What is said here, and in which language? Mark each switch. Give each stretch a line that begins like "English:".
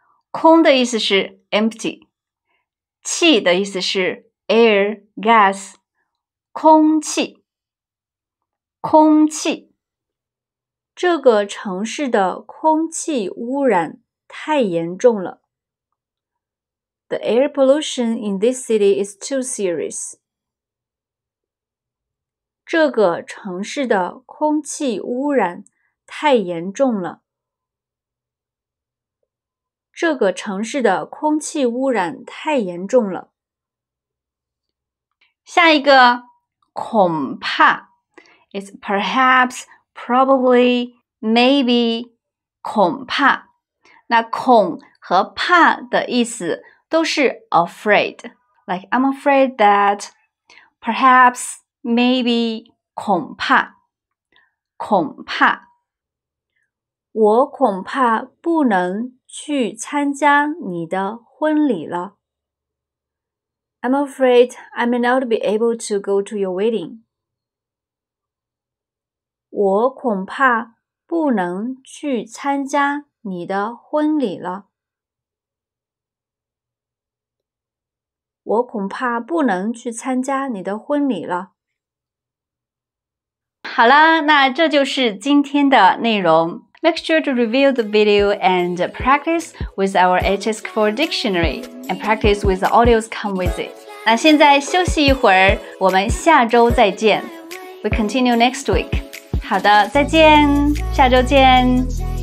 Chinese: 空的意思是 empty。气的意思是 air, gas, 空气，空气。这个城市的空气污染太严重了。
English: The air pollution in this city is too serious.
Chinese: 这个城市的空气污染太严重了。这个城市的空气污染太严重了。下一个，恐怕 ，
English: is perhaps, probably, maybe,
Chinese: 恐怕。那恐和怕的意思都是 afraid,
English: like I'm afraid that, perhaps, maybe,
Chinese: 恐怕，恐怕。我恐怕不能去参加你的婚礼了。
English: I'm afraid I may not be able to go to your wedding.
Chinese: 我恐怕不能去参加你的婚礼了。我恐怕不能去参加你的婚礼了。好啦，那这就是今天的内容。
English: Make sure to review the video and practice with our HS4 dictionary and practice with the audios come with it.
Chinese: 那现在休息一会儿，我们下周再见。
English: We continue next week.
Chinese: 好的，再见，下周见。